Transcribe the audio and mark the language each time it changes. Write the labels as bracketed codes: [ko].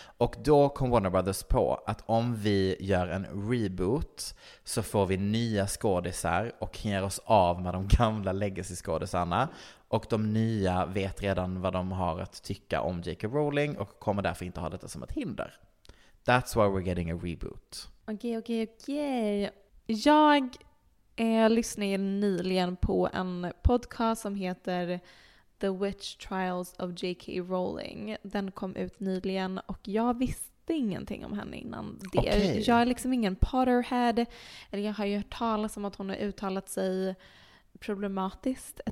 [sv] Och då kom Warner Brothers på att om vi gör en reboot så får vi nya skådisar och kan göra oss av med de gamla legacy-skådisarna. Och de nya vet redan vad de har att tycka om J.K. Rowling och kommer därför inte ha detta som ett hinder. [en] That's why we're getting a reboot. [sv] Okej. Jag lyssnade nyligen på en podcast som heter The Witch Trials of J.K. Rowling. Den kom ut nyligen och jag visste ingenting om henne innan det. [en] Okay. [sv] Jag är liksom ingen Potterhead. Eller jag har ju hört talas om att hon har uttalat sig problematiskt.